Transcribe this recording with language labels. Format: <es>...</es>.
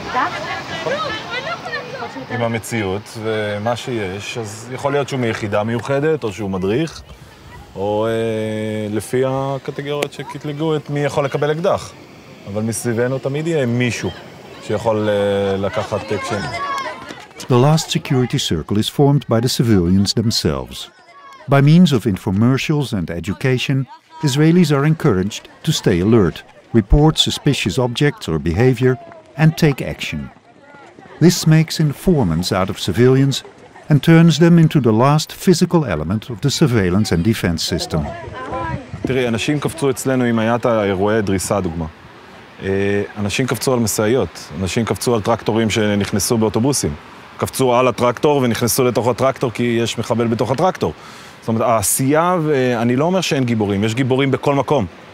<he>אקדח? עם המציאות ומה שיש, אז יכול להיות שהוא מיחידה מיוחדת, או שהוא מדריך, או לפי הקטגוריות שקטלגו את מי יכול לקבל אקדח. אבל מסביבנו תמיד יהיה מישהו שיכול לקחת טקשן.</he> <en>The last security circle is formed by the civilians themselves. By means of infomercials and education, Israelis are encouraged to stay alert, report suspicious objects or behavior, and take action. This makes informants out of civilians and turns them into the last physical element of the surveillance and defense system.</en> <he>תראי, אנשים קפצו אצלנו אם הייתה אירועי דריסה, דוגמה. אנשים קפצו על מסעיות, אנשים קפצו על טרקטורים שנכנסו באוטובוסים. קפצו על הטרקטור ונכנסו לתוך הטרקטור כי יש מחבל בתוך הטרקטור. זאת אומרת, העשייה, אני לא אומר שאין גיבורים, יש גיבורים בכל מקום.</he>